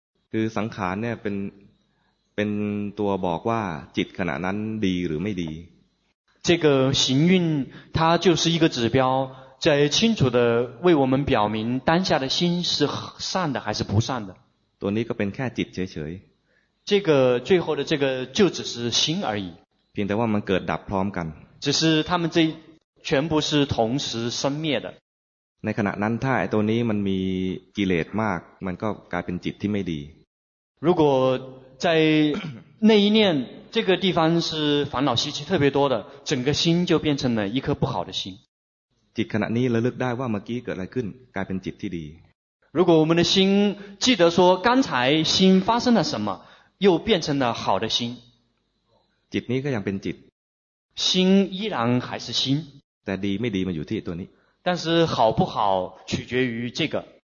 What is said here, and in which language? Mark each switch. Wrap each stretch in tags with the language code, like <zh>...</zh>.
<th>คือสังขารเนี่ยเป็นตัวบอกว่าจิตขณะนั้นดีหรือไม่ดี</th> <zh>这个行运它就是一个指标在清楚地为我们表明当下的心是善的还是不善的。</zh> <th>ตัวนี้ก็เป็นแค่จิตเฉยๆ。</th> <zh>这个最后的这个就只是心而已。</zh> <th>เพียงแต่ว่ามันเกิดดับพร้อมกัน。</th> <zh>只是他们这全部是同时生灭的。</zh> <th>ในขณะนั้นถ้าไอ้ตัวนี้มันมีกิเลสมากมันก็กลายเป็นจิตที่ไม่ดี。</th> <zh>如果在那一念这个地方是烦恼习气特别多的，整个心就变成了一颗不好的心。</zh> <th>จิตขณะนี้ระลึกได้ว่าเมื่อกี้เกิดอะไรขึ้นกลายเป็นจิตที่ดี</th> <zh>如果我们的心记得说刚才心发生了什么又变成了好的心</zh> <th>จิตนี้ก็ยังเป็นจิต</th> <zh>心依然还是心</zh> <th>แต่ดีไม่ดีมันอยู่ที่ตัวนี้</th> <zh>但是好不好取决于这个</zh>